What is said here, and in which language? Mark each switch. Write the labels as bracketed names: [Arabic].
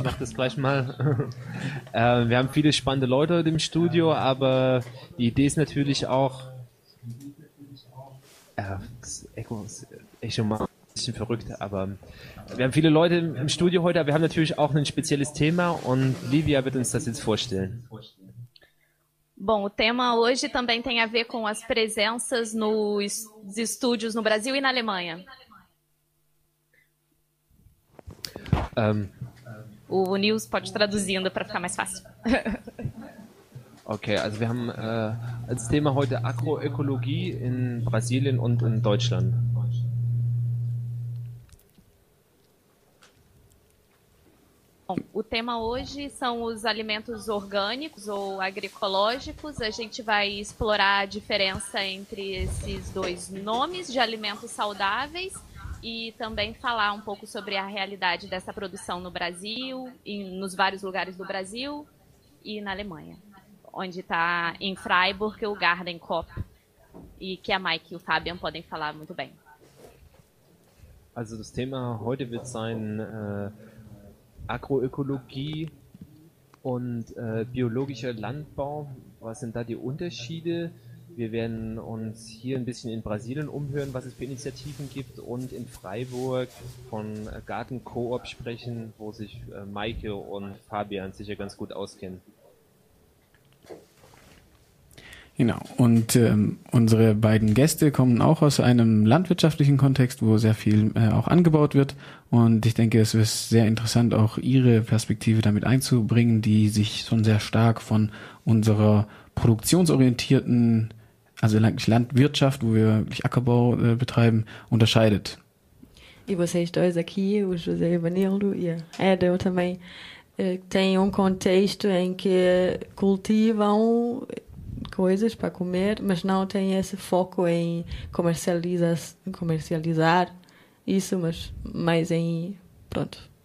[German] Ich mache das gleich mal. Wir haben viele spannende Leute im Studio, aber die Idee ist natürlich auch... Echo mal ein bisschen verrückt, aber... Wir haben viele Leute im Studio heute, aber wir haben natürlich auch ein spezielles Thema und Lívia wird uns das jetzt vorstellen. [Portuguese] Bom, o tema hoje também tem a ver com as presenças nos estúdios no Brasil e na Alemanha. O Nils pode traduzindo para ficar mais fácil. [German] Ok, also wir haben als Thema heute Agroökologie in Brasilien und in Deutschland. [Portuguese] O tema hoje são os alimentos orgânicos ou agroecológicos. A gente vai explorar a diferença entre esses dois nomes de alimentos saudáveis e também falar um pouco sobre a realidade dessa produção no Brasil, nos vários lugares do Brasil e na Alemanha, onde está em Freiburg o Garden Coop, e que a Maike e o Fabian podem falar muito bem. [German] Also, das Thema heute wird sein... Agroökologie und biologischer Landbau, was sind da die Unterschiede? Wir werden uns hier ein bisschen in Brasilien umhören, was es für Initiativen gibt und in Freiburg von Garten Coop sprechen, wo sich Maike und Fabian sicher ganz gut auskennen. Genau, und unsere beiden Gäste kommen auch aus einem landwirtschaftlichen Kontext, wo sehr viel auch angebaut wird. Und ich denke, es ist sehr interessant, auch ihre Perspektive damit einzubringen, die sich schon sehr stark von unserer produktionsorientierten, also eigentlich Landwirtschaft, wo wir wirklich Ackerbau betreiben, unterscheidet. [Portuguese] E vocês dois aqui, o José Ivanildo e a Edel também, têm contexto em que cultivam coisas para comer, mas não tem esse foco em comercializar isso, mas mais em, pronto,